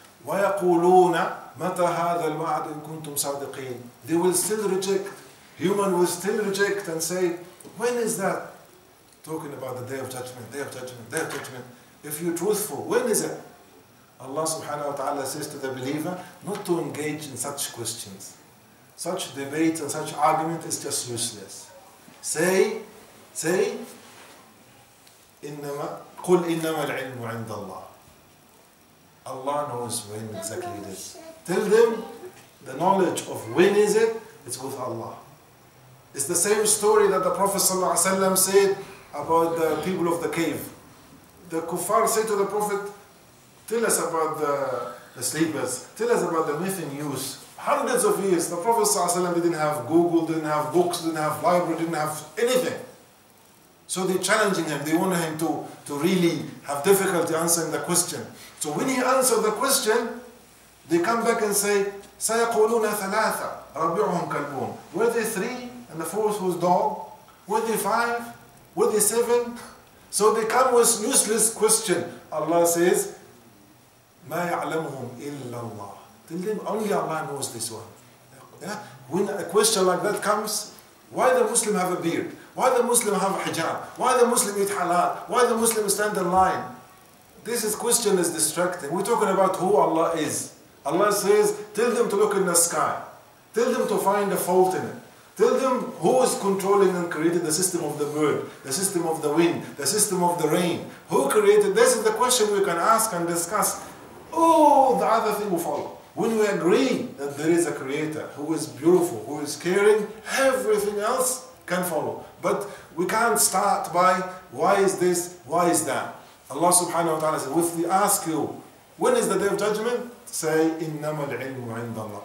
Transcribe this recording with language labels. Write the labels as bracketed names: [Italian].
[Arabic] وَيَقُولُونَ مَتَى هَذَا الْوَعْدِ إِن كُنْتُمْ صَادِقِينَ [English] They will still reject. Human will still reject and say, when is that talking about the Day of Judgment, Day of Judgment, Day of Judgment. If you're truthful, when is it? Allah subhanahu wa ta'ala says to the believer not to engage in such questions. Such debate and such argument is just useless. Say, [Arabic] إِنَّمَا قُلْ إِنَّمَا الْعِلْمُ عِنْدَ اللَّهِ. [English] Allah knows when exactly it is. Tell them the knowledge of when is it, it's with Allah. It's the same story that the Prophet said about the people of the cave. The kuffar said to the Prophet, tell us about the sleepers, tell us about the myth in use. Hundreds of years, the Prophet didn't have Google, didn't have books, didn't have library, didn't have anything. So they're challenging him, they want him to really have difficulty answering the question. So when he answered the question, they come back and say, [Arabic] سَيَقُولُونَ ثَلَاثَ رَبِعُهُمْ كَلْبُونَ. [English] Were they three and the fourth was dog? Were they five? Were they seven? So they come with useless question. Allah says, [Arabic] مَا يَعْلَمُهُمْ إِلَّا اللَّهِ. [English] Tell them, only Allah knows this one. Yeah? When a question like that comes, why the Muslim have a beard? Why the Muslim have a hijab? Why the Muslim eat halal? Why the Muslim stand in line? This is question is distracting. We're talking about who Allah is. Allah says, tell them to look in the sky. Tell them to find a fault in it. Tell them who is controlling and created the system of the bird, the system of the wind, the system of the rain. Who created? This is the question we can ask and discuss. All the other thing will follow. When we agree that there is a creator who is beautiful, who is caring, everything else can follow. But we can't start by why is this, why is that? Allah subhanahu wa ta'ala says, if we ask you, when is the day of judgment? Say, [Arabic] إِنَّمَا الْعِلْمُ عِنْدَ اللَّهِ.